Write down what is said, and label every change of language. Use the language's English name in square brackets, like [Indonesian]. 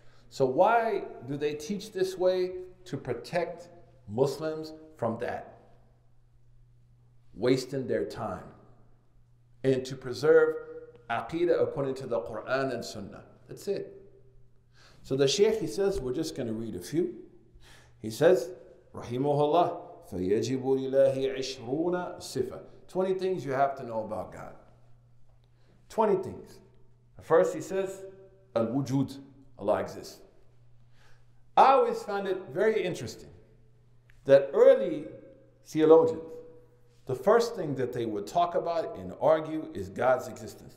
[English] So why do they teach this way? To protect Muslims from that, wasting their time, and to preserve aqidah according to the Quran and Sunnah. That's it. So the Shaykh, he says, we're just going to read a few. He says, [Arabic] Rahimahullah, فَيَجِبُ لِلَّهِ عِشْرُونَ صِفَةً. [English] 20 things you have to know about God. 20 things. First, he says, Al-Wujud, Allah exists. I always found it very interesting that early theologians, the first thing that they would talk about and argue is God's existence.